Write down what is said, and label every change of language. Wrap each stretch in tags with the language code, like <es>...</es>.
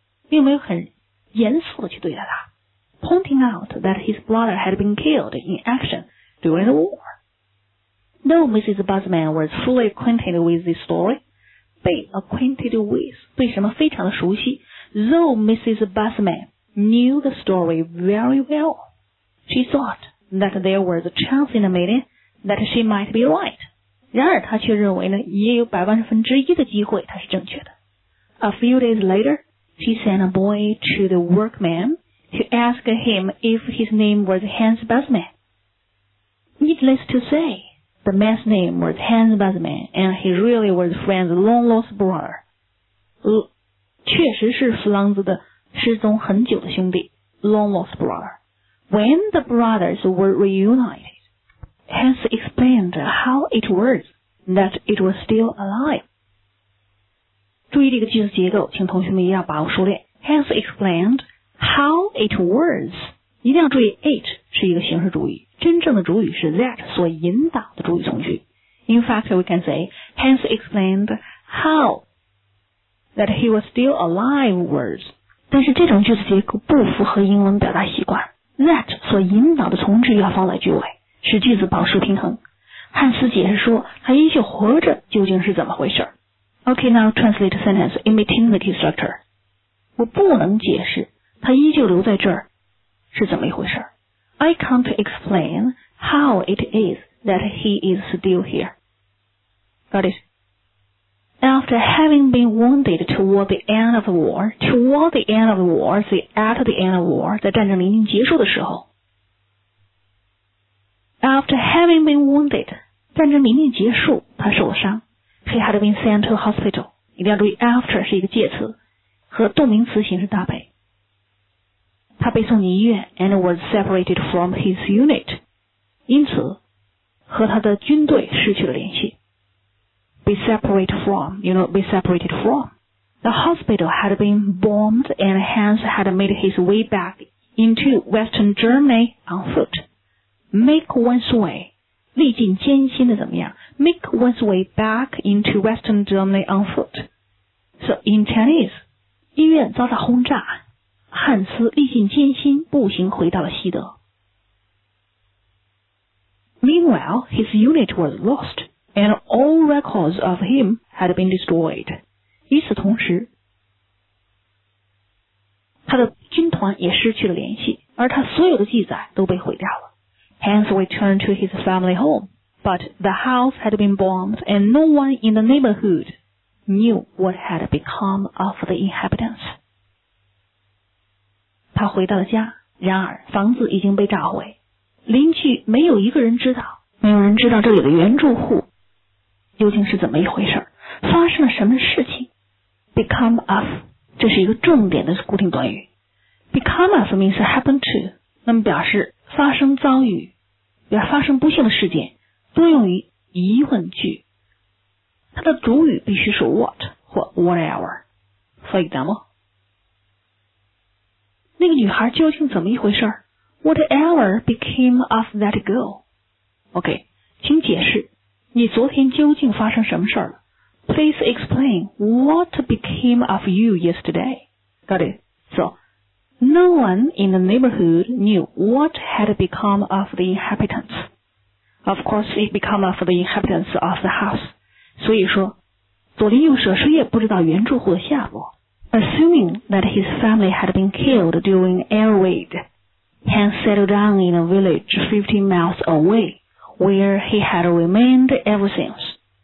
<zh>并没有很严肃地去对待他。</zh> <en>Pointing out that his brother had been killed in action during the war. Though Mrs. Busman was fully acquainted with this story,Be acquainted with,</en> <zh>对什么非常的熟悉</zh> <en>Though Mrs. Busman knew the story very well, she thought that there was a chance in a million that she might be right.</en> <zh>然而她却认为呢也有百万分之一的机会她是正确的。</zh> <en>A few days later, he sent a boy to the workman to ask him if his name was Hans Bassman. Needless to say, the man's name was Hans Bassman, and he really was Franz's long-lost brother.</en> <zh>确实是弗朗兹的失踪很久的兄弟</zh> <en>long-lost brother. When the brothers were reunited, Hans explained how it was that it was still alive.</en> <zh>注意这个句子结构，请同学们一定要把握熟练。</zh> <en>Hans explained how it was.</en> <zh>一定要注意 it 是一个形式主语，真正的主语是 that 所引导的主语从句。</zh> <en>In fact, we can say Hans explained how that he was still alive was.</en> <zh>但是这种句子结构不符合英文表达习惯。That 所引导的从句要放在句尾，使句子保持平衡。汉斯解释说他依旧活着究竟是怎么回事。</zh> <en>Okay, now translate sentence imitating the instructor.</en> <zh>我不能解释他依旧留在这儿是怎么一回事。</zh> <en>I can't explain how it is that he is still here. Got it. After having been wounded toward the end of the war, toward the end of the war, say at the end of the war,</en> <zh>在战争临近结束的时候。</zh> <en>After having been wounded,</en> <zh>战争临近结束他受了伤。</zh> <en>He had been sent to hospital.</en> <zh>一定要注意 after 是一个介词和动名词形式搭配。他被送进医院</zh> <en>and was separated from his unit.</en> <zh>因此和他的军队失去了联系。</zh> <en>Be separated from, you know, be separated from. The hospital had been bombed and Hans had made his way back into Western Germany on foot. Make one's way.</en> <zh>历尽艰辛的怎么样？</zh> <en>Make one's way back into Western Germany on foot. So in Chinese,</en> <zh>医院遭到轰炸，汉斯历尽艰辛步行回到了西德。</zh> <en>Meanwhile, his unit was lost, and all records of him had been destroyed.</en> <zh>与此同时，他的军团也失去了联系，而他所有的记载都被毁掉了。</zh> <en>Hans returned to his family home. But the house had been bombed and no one in the neighborhood knew what had become of the inhabitants.</en> <zh>他回到了家，然而房子已经被炸毁，邻居没有一个人知道，没有人知道这里的原住户究竟是怎么一回事，发生了什么事情。 Become of, 这是一个重点的固定短语。</zh> <en>Become of means happen to,</en> <zh>那么表示发生遭遇，表示发生不幸的事件，多用于疑问句，它的主语必须是 what 或 whatever.</zh> <en>For example,</en> <zh>那个女孩究竟怎么一回事？</zh> <en>Whatever became of that girl?</en> <zh>OK, 请解释你昨天究竟发生什么事了。</zh> <en>Please explain what became of you yesterday. Got it. So, no one in the neighborhood knew what had become of the inhabitants. Of course, it became of the inhabitants of the house.</en> <zh>所以说，左邻右舍谁也不知道原住户的下落。</zh> <en>Assuming that his family had been killed during air raid, Hans settled down in a village 15 miles away, where he had remained ever since.</en>